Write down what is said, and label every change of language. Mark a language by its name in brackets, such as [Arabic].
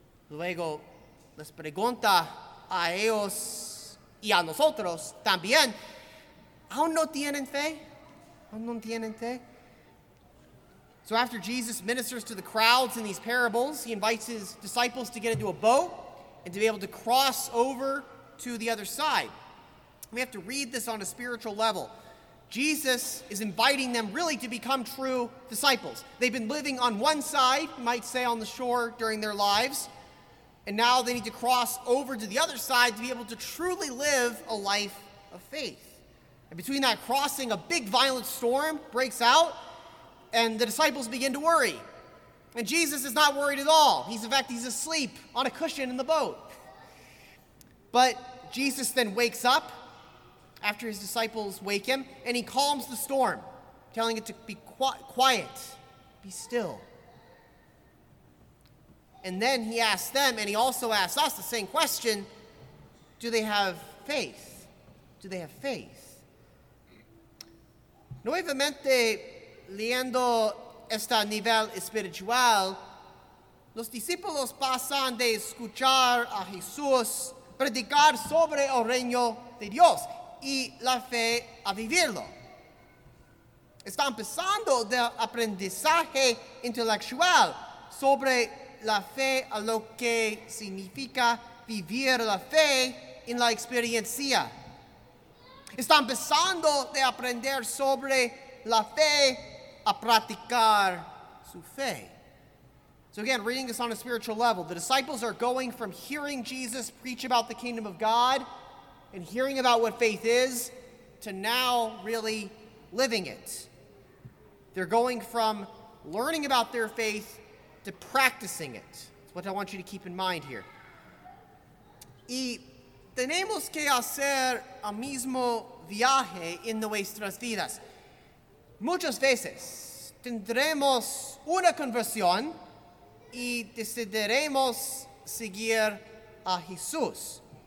[Spanish] Luego les pregunta a ellos y a nosotros también: ¿aún no tienen fe? ¿Aún no tienen fe? [English] So after Jesus ministers to the crowds in these parables, he invites his disciples to get into a boat and to be able to cross over to the other side. We have to read this on a spiritual level. Jesus is inviting them really to become true disciples. They've been living on one side, you might say, on the shore during their lives, and now they need to cross over to the other side to be able to truly live a life of faith. And between that crossing, a big violent storm breaks out, and the disciples begin to worry. And Jesus is not worried at all. He's asleep on a cushion in the boat. But Jesus then wakes up after his disciples wake him, and he calms the storm, telling it to be quiet, be still. And then he asks them, and he also asks us the same question: do they have faith? Do they have faith? [Spanish] Nuevamente, leyendo este nivel espiritual, los discípulos pasan de escuchar a Jesús predicar sobre el reino de Dios y la fe a vivirlo. Está empezando el aprendizaje intelectual sobre la fe, a lo que significa vivir la fe en la experiencia. Está empezando de aprender sobre la fe a practicar su fe. [English] So again, reading this on a spiritual level, the disciples are going from hearing Jesus preach about the kingdom of God and hearing about what faith is to now really living it. They're going from learning about their faith to practicing it. That's what I want you to keep in mind here. [Spanish] Y tenemos que hacer el mismo viaje en nuestras vidas. Muchas veces tendremos una conversión y decidiremos seguir a Jesús.